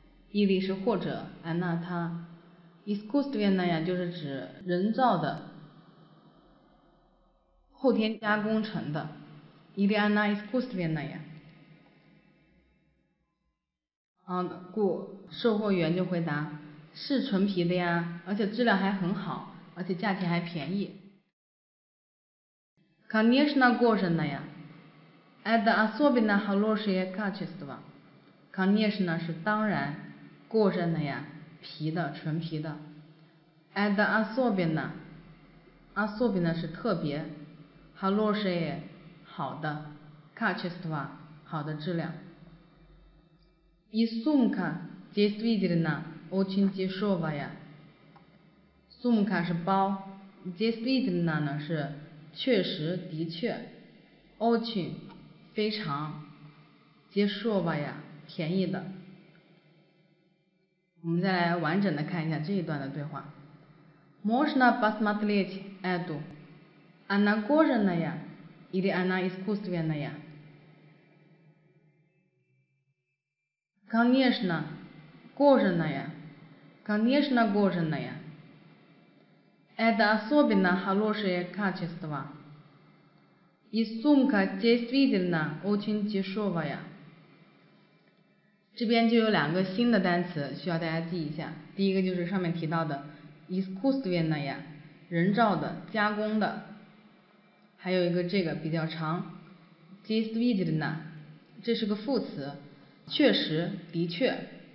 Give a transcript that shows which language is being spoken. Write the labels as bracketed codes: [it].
[zh] 伊利是或者，安娜她 искусственная 就是指人造的，后天加工成的。 [ru] 伊利安娜 искусственная。 [zh] 故售货员就回答，是纯皮的呀，而且质量还很好，而且价钱还便宜。 [ru] конечно кожаная， это особенно хорошее качество。 [zh] конечно 是当然。过着的呀，皮的，纯皮的。 [ru] Это особенно， [zh] особенно 是特别。 [ru] Хорошее [zh] 好的， качество 好的质量。 [ru] И сумка действительно очень дешевая。 [zh] Сумка 是包， действительно 呢是确实，的确。 [ru] Очень [zh] 非常， дешевая 便宜的。我们再来完整的看一下这一段的对话。 [ru] Можно посмотреть эту? Она кожаная или она искусственная? Конечно, кожаная. Конечно, кожаная. Это особенно хорошее качество. И сумка действительно очень дешевая. [zh] 这边就有两个新的单词需要大家记一下。第一个就是上面提到的 искусственная， 人造的，加工的。还有一个这个比较长， действительно， 这是个副词，确实，的确。